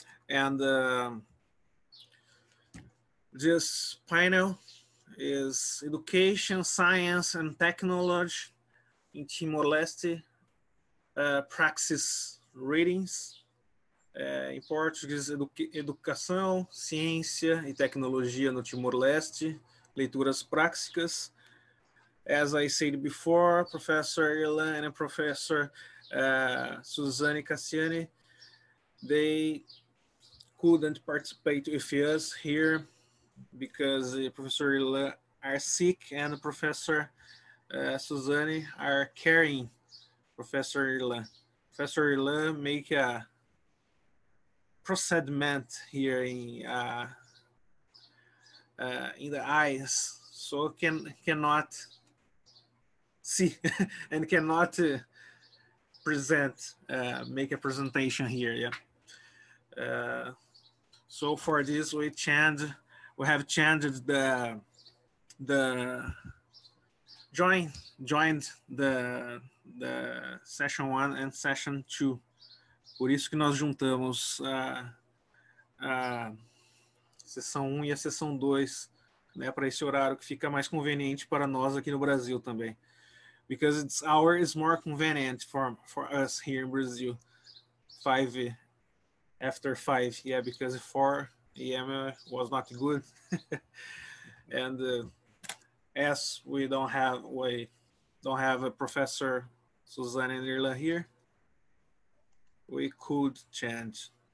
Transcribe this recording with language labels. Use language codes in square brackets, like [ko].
[en] And this panel is education, science and technology in Timor-Leste, praxis readings. [pt] Em português, educação, ciência e tecnologia no Timor-Leste, leituras práxicas. [en] As I said before, Professor Ilan and Professor Suzanne Cassiani, they couldn't participate with us here because Professor Ilan are sick and Professor Suzanne are caring Professor Ilan. Professor Ilan make a procedement here in the eyes, so cannot see and cannot present, make a presentation here. Yeah. So for this, we have changed the session one and session two. [pt] Por isso que nós juntamos a sessão 1 e a sessão 2, né, para esse horário que fica mais conveniente para nós aqui no Brasil também. [en] Because it's hour is more convenient for us here in Brazil. 5 after 5. Yeah, because 4 a.m. was not good. And as we don't have a Professor Suzanne Nirla here, we could change.